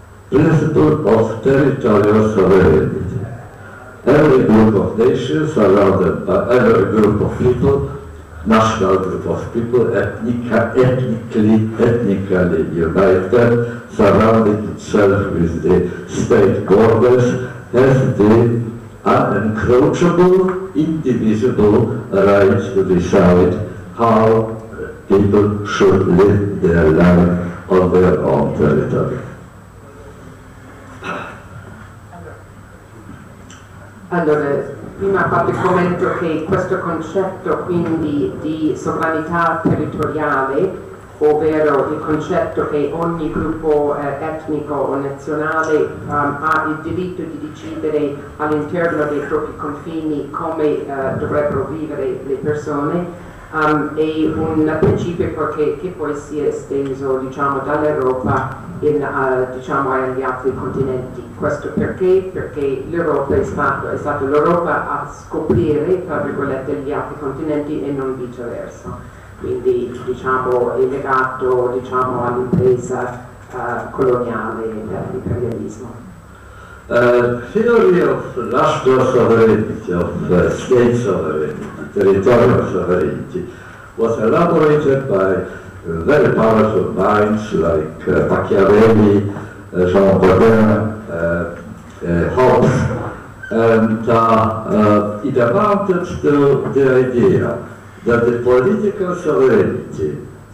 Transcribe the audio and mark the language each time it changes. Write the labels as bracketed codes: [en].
[en] Principle of territorial sovereignty. Every group of nations surrounded by every group of people, national group of people, ethnically united, surrounded itself with the state borders, has the unencroachable, indivisible rights to decide how people should live their life on their own territory. [it] Allora, prima ha fatto il commento che questo concetto quindi di sovranità territoriale, ovvero il concetto che ogni gruppo etnico o nazionale ha il diritto di decidere all'interno dei propri confini come dovrebbero vivere le persone, è un principio che poi si è esteso diciamo dall'Europa agli altri continenti. Questo perché? Perché l'Europa è stata l'Europa a scoprire, tra virgolette, gli altri continenti e non viceversa. Quindi diciamo è legato diciamo all'impresa coloniale dell'imperialismo. [en] Theory of national sovereignty, of state sovereignty, territorial sovereignty, was elaborated by very powerful minds like Machiavelli, Jean Baudin, Hobbes, and it amounted to the idea that the political sovereignty